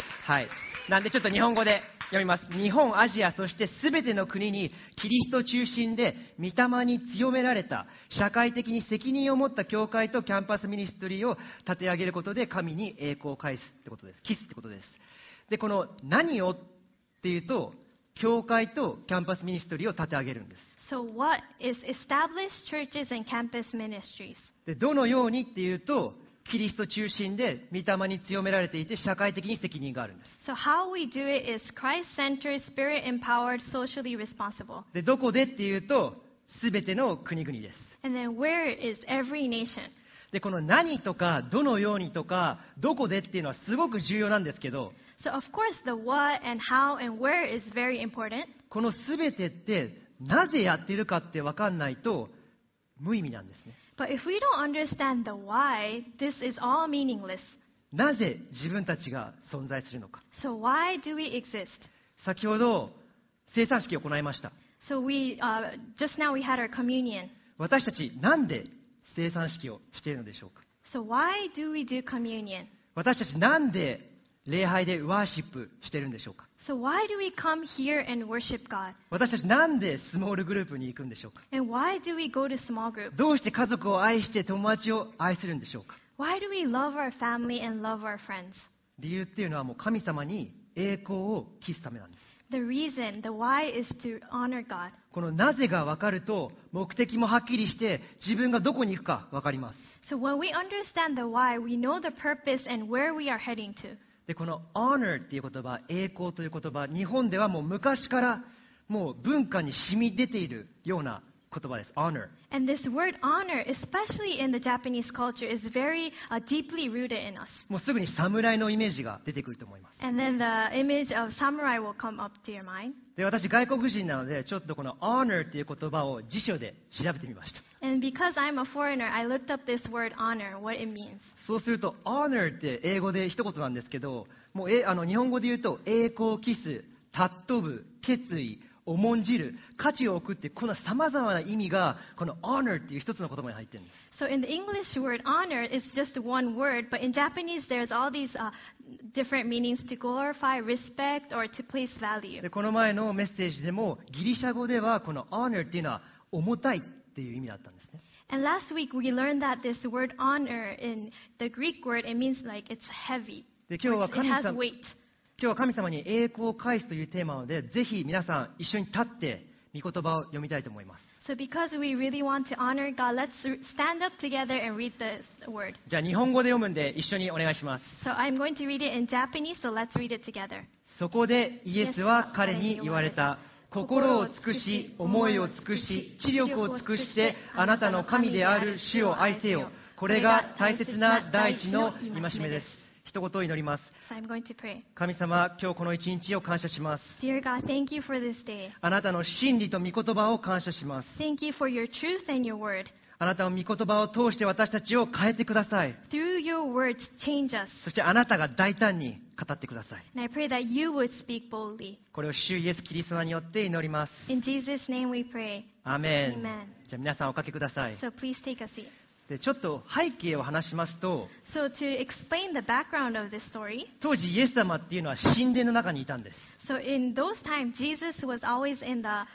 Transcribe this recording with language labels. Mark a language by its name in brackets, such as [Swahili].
[Japanese] はい、なんでちょっと日本語で読みます。日本、アジア、そして全ての国にキリスト中心で御霊に強められた社会的に責任を持った教会とキャンパスミニストリーを立て上げることで神に栄光を返すってことです。キスってことです。で、この何をっていうと教会とキャンパスミニストリーを立て上げるんです。 [English] So what is established churches and campus ministries? [Japanese] で、どのようにっていうとキリスト中心で御霊に強められていて社会的に責任があるんです。 [English] So how we do it is Christ-centered, Spirit-empowered, socially responsible. [Japanese] で、どこでっていうと全ての国々です。 [English] And then where is every nation? [Japanese] で、この何とかどのようにとかどこでっていうのはすごく重要なんですけど。 [English] So of course the what and how and where is very important. [Japanese] この全てってなぜやってるかって分かんないと無意味なんですね。 [English] But if we don't understand the why, this is all meaningless. [Japanese] なぜ自分たちが存在するのか。 [English] So why do we exist? [Japanese] 先ほど聖餐式を行いました。 [English] So we, just now we had our communion. [Japanese] 私たちなんで聖餐式をしているのでしょうか。 [English] So why do we do communion? [Japanese] 私たちなんで礼拝でワーシップしているんでしょうか。 [English] So why do we come here and worship God? [Japanese] 私たちなんでスモールグループに行くんでしょうか。 [English] And why do we go to small group? [Japanese] どうして家族を愛して友達を愛するんでしょうか。 [English] Why do we love our family and love our friends? [Japanese] 理由っていうのはもう神様に栄光を期すためなんです。 [English] The reason, the why is to honor God. [Japanese] このなぜが分かると目的もはっきりして自分がどこに行くか分かります。 [English] So when we understand the why, we know the purpose and where we are heading to. [Japanese] で、この honor っていう言葉、栄光という言葉、日本ではもう昔からもう文化に染み出ているような言葉です。 [English] honor。 And this word honor, especially in the Japanese culture, is very deeply rooted in us. [Japanese] もうすぐに侍のイメージが出てくると思います。 [English] And then the image of samurai will come up to your mind. [Japanese] で、私外国人なので、ちょっとこの honor っていう言葉を辞書で調べてみました。 [English] And because I'm a foreigner, I looked up this word honor, what it means. [Japanese] そうすると honor って英語で一言なんですけど、もう日本語で言うと栄光を期す、尊ぶ、決意、重んじる、価値を置くって、このさまざまな意味がこの honor っていう一つの言葉に入ってるんです。 [English] So in the English word honor is just one word, but in Japanese there's all these different meanings to glorify, respect, or to place value. [Japanese] で、この前のメッセージでもギリシャ語ではこの honor っていうのは重たいっていう意味だったんですね。 [English] And last week we learned that this word honor in the Greek word it means like it's heavy. [Japanese] で、今日は神様。今日は神様に栄光を返すというテーマなので、ぜひ皆さん一緒に立って御言葉を読みたいと思います。 [English] So because we really want to honor God, let's stand up together and read the word. [Japanese] じゃあ日本語で読むんで一緒にお願いします。 [English] So I'm going to read it in Japanese, so let's read it together. [Japanese] そこでイエスは彼に言われた。心を尽くし、思いを尽くし、知力を尽くして、あなたの神である主を愛せよ。これが大切な第一の戒めです。一言を祈ります。神様、今日この一日を感謝します。 [English] Dear God, thank you for this day. [Japanese] あなたの真理と御言葉を感謝します。 [English] Thank you for your truth and your word. [Japanese] あなたの御言葉を通して私たちを変えてください。 [English] Through your words, change us. [Japanese] そしてあなたが大胆に語ってください。 [English] And I pray that you would speak boldly. [Japanese] これを主イエス・キリストによって祈ります。 [English] In Jesus' name we pray. Amen. Amen. [Japanese] じゃあ皆さんおかけください。 [English] So please take a seat. [Japanese] で、ちょっと背景を話しますと、 [English] so、to explain the background of this story, [Japanese] 当時イエス様っていうのは神殿の中にいたんです。 [English] So in those time, Jesus was always in the,